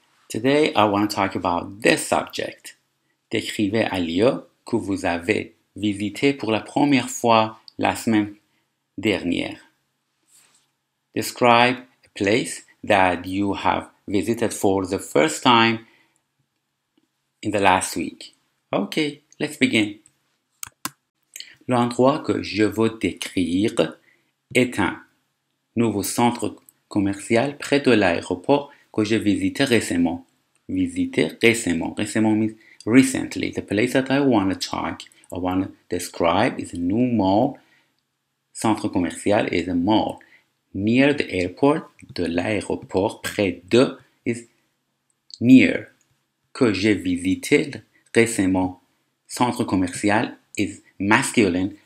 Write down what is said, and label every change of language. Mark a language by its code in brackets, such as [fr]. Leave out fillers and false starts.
[en] Today I want to talk about this subject. [fr] Décrivez un lieu que vous avez visité pour la première fois la semaine dernière. [en] Describe a place that you have visited for the first time in the last week. OK, let's begin. [fr] L'endroit que je veux décrire est un nouveau centre commercial près de l'aéroport que j'ai visité récemment. [en] Récemment means recently. The place that I want to describe is a new mall. [fr] Centre commercial [en] is a mall. Near the airport, [fr] de l'aéroport, près de, [en] is near. [fr] Que j'ai visité récemment. Centre commercial [en] is masculine.